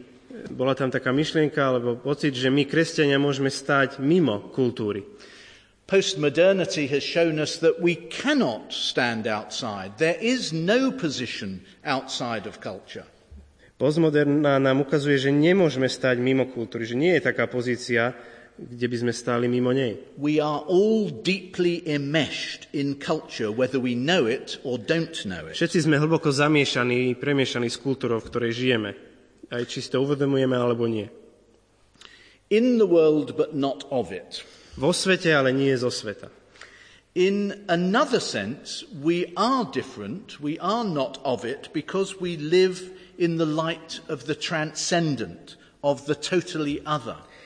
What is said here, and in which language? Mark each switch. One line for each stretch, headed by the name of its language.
Slovak: Bola tam taká myšlienka alebo pocit, že my kresťania môžeme stáť mimo kultúry.
English: Postmodernity has shown us that we cannot stand outside. There is no position outside of culture.
Slovak: Postmoderná nám ukazuje, že nemôžeme stáť mimo kultúry, že nie je taká pozícia, kde by sme stáli mimo nej.
English: We are all deeply enmeshed in culture, whether we know it or don't know it.
Slovak: Všetci sme hlboko zamiešaní, premiešaní s kultúrou, v ktorej žijeme. Aj či si to uvedomujeme alebo nie.
English: In the world, but not of it.
Slovak: Vo svete, ale nie zo sveta.
English: In another sense, we are different, we are not of it, because we live in the light of the transcendent, of the totally other.